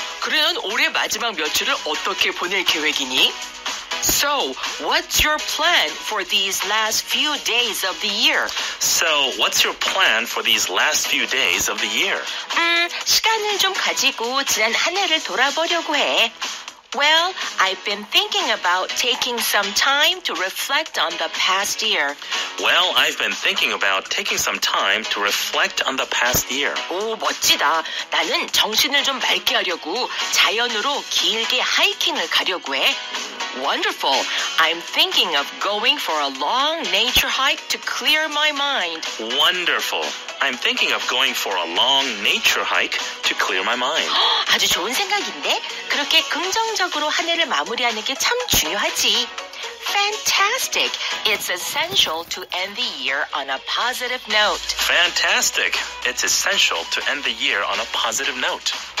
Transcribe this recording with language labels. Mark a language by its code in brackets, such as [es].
[ko] 그러면 올해 마지막 며칠을 어떻게 보낼 계획이니? [en] So, what's your plan for these last few days of the year? So, what's your plan for these last few days of the year? [ko] 시간을 좀 가지고 지난 한 해를 돌아보려고 해. [en] Well, I've been thinking about taking some time to reflect on the past year. Well, I've been thinking about taking some time to reflect on the past year. [ko] 오, 멋지다. 나는 정신을 좀 맑게 하려고 자연으로 길게 하이킹을 가려고 해. [en] Wonderful. I'm thinking of going for a long nature hike to clear my mind. Wonderful. I'm thinking of going for a long nature hike to clear my mind. [ko] 아주 좋은 생각인데? 그렇게 긍정적으로 한 해를 마무리하는 게 참 중요하지. [en] Fantastic. It's essential to end the year on a positive note. Fantastic. It's essential to end the year on a positive note.